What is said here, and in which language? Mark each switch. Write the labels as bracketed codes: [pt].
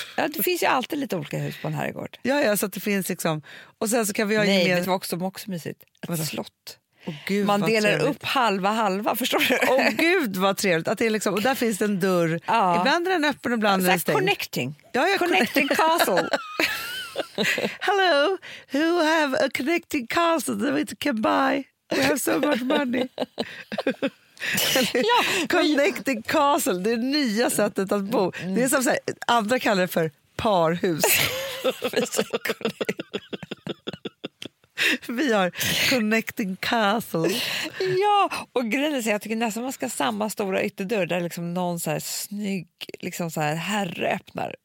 [sv] Ja, det finns ju alltid lite olika hus på en herrgård. Ja, ja, så att det finns liksom. Och sen så kan vi ha gemensamt. Nej, det var också mysigt. Ett vadå? Slott. Åh, gud, man delar trevligt. Upp halva, förstår du? Åh gud, vad trevligt. Att det är liksom, och där finns det en dörr. Ja. Ibland är den öppen och ibland är den stängd. [en] Connecting. [sv] Ja, ja, [en] connecting castle. Hello, who have a connecting castle that we can buy? We have so much money. [sv] Ja, connecting castle, det är nya sättet att bo. Det är som så här, andra kallar det för parhus. Vi har connecting castle. Ja, och grejen är att jag tycker nästan man ska ha samma stora ytterdörr där liksom någon så här snygg liksom så här herre öppnar.